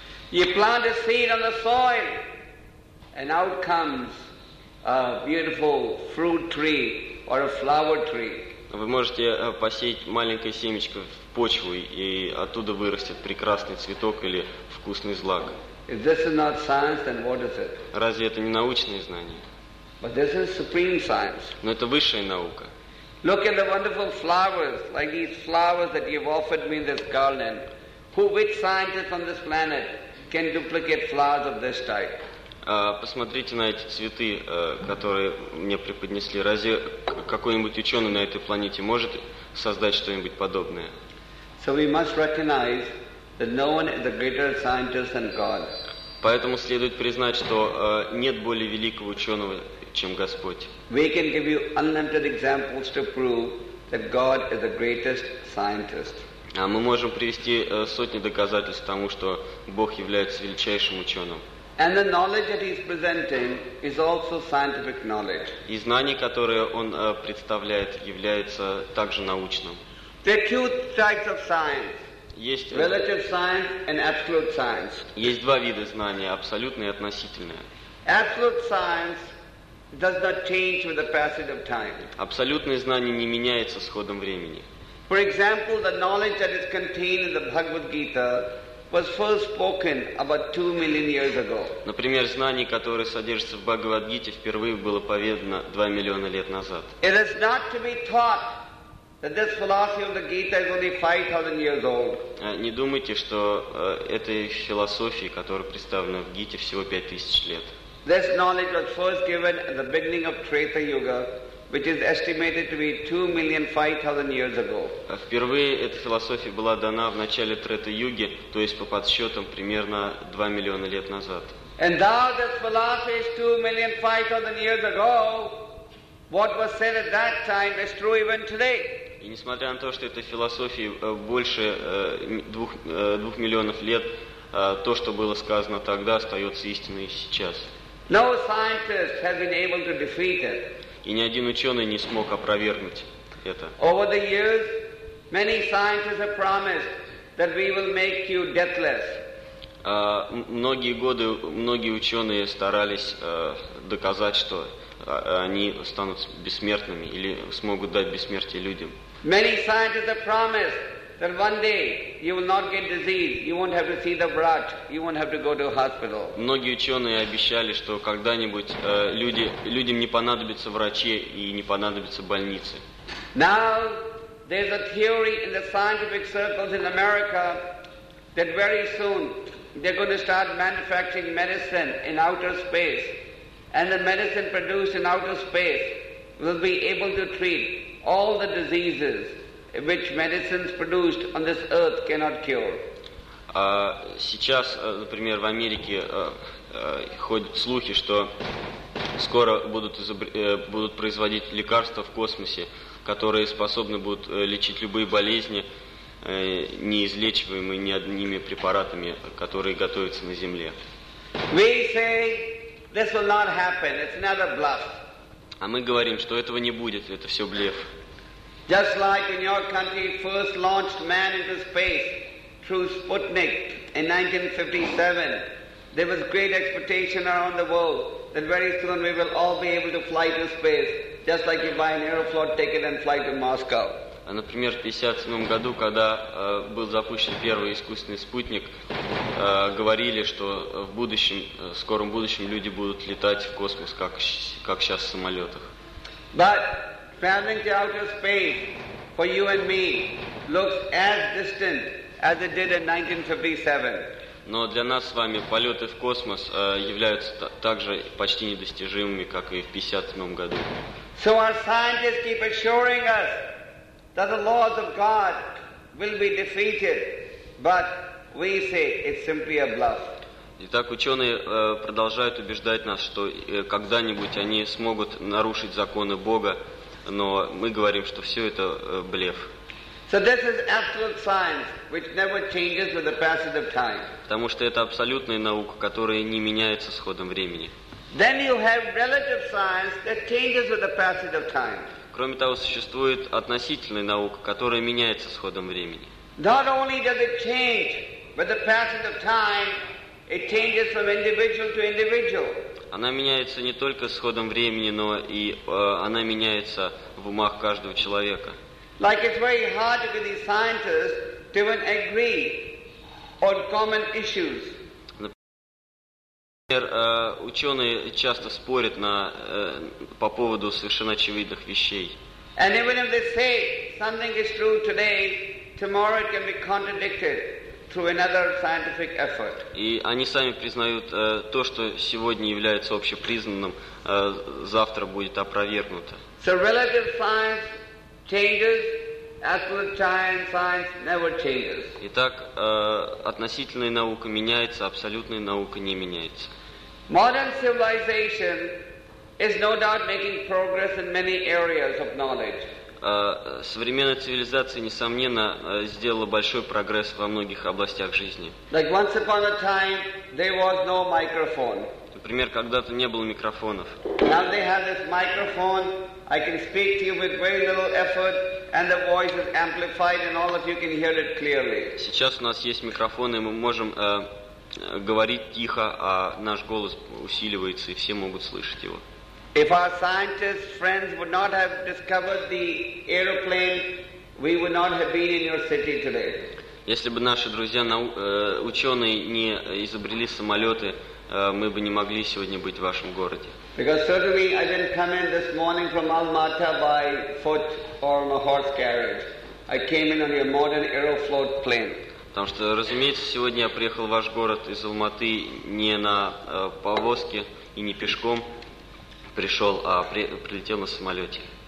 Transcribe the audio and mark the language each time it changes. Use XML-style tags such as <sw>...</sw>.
<en>You plant a seed on the soil, and out comes a beautiful fruit tree. Or a flower tree.</en> <ru>Вы можете посеять маленькое семечко в почву, и оттуда вырастет прекрасный цветок или вкусный злак.</ru> <en>If this is not science, then what is it?</en> <ru>Разве это не научные знания?</ru> <en>But this is supreme science.</en> <ru>Но это высшая наука.</ru> <en>Look at the wonderful flowers, like these flowers that you've offered me in this garden. Which scientist on this planet can duplicate flowers of this type?</en> <ru>Посмотрите на эти цветы, которые мне преподнесли. Разве какой-нибудь ученый на этой планете может создать что-нибудь подобное?</ru> <en>So we must recognize that no one is a greater scientist than God.</en> <ru>Поэтому следует признать, что нет более великого ученого, чем Господь.</ru> <en>We can give you unlimited examples to prove that God is the greatest scientist.</en> <ru>А мы можем привести сотни доказательств тому, что Бог является величайшим ученым.</ru> <en>And the knowledge that he's presenting is also scientific knowledge.</en> <ru>И знание, которое он представляет, является также научным.</ru> <en>There are two types of science.</en> <ru>Есть</ru> <en>relative science and absolute science.</en> <ru>Есть два вида знания: абсолютное и относительное.</ru> <en>Absolute science does not change with the passage of time.</en> <ru>Абсолютное знание не меняется с ходом времени.</ru> <en>For example, the knowledge that is contained in the Bhagavad Gita was first spoken about 2 million years ago.</en> <ru>Например, знание, которое содержится в Бхагавад-гите, впервые было поведано 2 миллиона лет назад.</ru> <en>It is not to be taught that this philosophy of the Gita is only 5,000 years old.</en> <ru>Не думайте, что этой философии, которая представлена в Гите, всего 5000 лет.</ru> <en>This knowledge was first given at the beginning of Treta Yuga, which is estimated to be 2,500,000 years ago.</en> <ru>Впервые эта философия была дана в начале Трета-юги, то есть по подсчетам примерно 2 миллиона лет назад.</ru> <en>And now this philosophy is 2,500,000 years ago. What was said at that time is true even today.</en> <ru>И несмотря на то, что эта философия больше 2 миллионов лет, то, что было сказано тогда, остается истиной и сейчас.</ru> <en>No scientist has been able to defeat it.</en> <ru>И ни один ученый не смог опровергнуть это.</ru> <en>Over the years, many scientists have promised that we will make you deathless.</en> <ru>Многие годы многие ученые старались доказать, что они станут бессмертными или смогут дать бессмертие людям.</ru> <en>Many scientists have promised that one day you will not get disease, you won't have to see the</en> <ru>врач,</ru> <en>you won't have to go to hospital.</en> <ru>Многие ученые обещали, что когда-нибудь людям не понадобятся врачи и не понадобятся больницы.</ru> <en>Now there's a theory in the scientific circles in America that very soon they're going to start manufacturing medicine in outer space, and the medicine produced in outer space will be able to treat all the diseases which medicines produced on this earth cannot cure.</en> <ru>Сейчас, например, в Америке ходят слухи, что скоро будут производить лекарства в космосе, которые способны будут лечить любые болезни, неизлечиваемые ни одними препаратами, которые готовятся на Земле.</ru> <en>We say this will not happen. It's another bluff.</en> <ru>А мы говорим, что этого не будет, это все блеф.</ru> <en>Just like in your country, first launched man into space through Sputnik in 1957, there was great expectation around the world that very soon we will all be able to fly to space, just like you buy an Aeroflot ticket and fly to Moscow.</en> <ru>Например, в 57 году, когда был запущен первый искусственный спутник, говорили, что в скором будущем люди будут летать в космос, как сейчас в самолетах.</ru> <en>But traveling to outer space for you and me looks as distant as it did in 1957.</en> <ru>Но для нас с вами полеты в космос являются также почти недостижимыми, как и в 57 году.</ru> <en>So our scientists keep assuring us that the laws of God will be defeated, but we say it's simply a bluff.</en> <ru>Итак, ученые продолжают убеждать нас, что когда-нибудь они смогут нарушить законы Бога, но мы говорим, что все это блеф.</ru> <en>So this is absolute science, which never changes with the passage of time.</en> <ru>Потому что это абсолютная наука, которая не меняется с ходом времени.</ru> <en>Then you have relative science that changes with the passage of time.</en> <ru>Кроме того, существует относительная наука, которая меняется с ходом времени.</ru> <en>Not only does it change with the passage of time, it changes from individual to individual.</en> <ru>Она меняется не только с ходом времени, но и она меняется в умах каждого человека.</ru> <en>Like it's very hard for these scientists to even agree on common issues.</en> <ru>Например, ученые часто спорят на по поводу совершенно очевидных вещей.</ru> <en>And even if they say something is true today, tomorrow it can be contradicted through another scientific effort.</en> <ru>И они сами признают то, что сегодня является общепризнанным, завтра будет опровергнуто.</ru> <en>So relative science changes. Absolute time, science never changes.</en> <ru>Итак, относительная наука меняется, абсолютная наука не меняется.</ru> <en>Modern civilization is no doubt making progress in many areas of knowledge.</en> <ru>Современная цивилизация, несомненно, сделала большой прогресс во многих областях жизни.</ru> <en>Like once upon a time, there was no microphone.</en> <ru>Например, когда-то не было микрофонов.</ru> <en>Now they have this microphone. I can speak to you with very little effort, and the voice is amplified, and all of you can hear it clearly.</en> <ru>Сейчас у нас есть микрофоны, мы можем говорить тихо, а наш голос усиливается, и все могут слышать его.</ru> <en>If our scientist friends would not have discovered the aeroplane, we would not have been in your city today.</en> <ru>Если бы наши друзья ученые не изобрели самолеты, мы бы не могли сегодня быть в вашем городе.</ru> <en>Because certainly I didn't come in this morning from Almaty by foot or on a horse carriage. I came in on your modern Aeroflot plane.</en> <ru>Потому что, разумеется, сегодня я приехал в ваш город из Алматы не на повозке и не пешком пришел, а прилетел на самолете.</ru>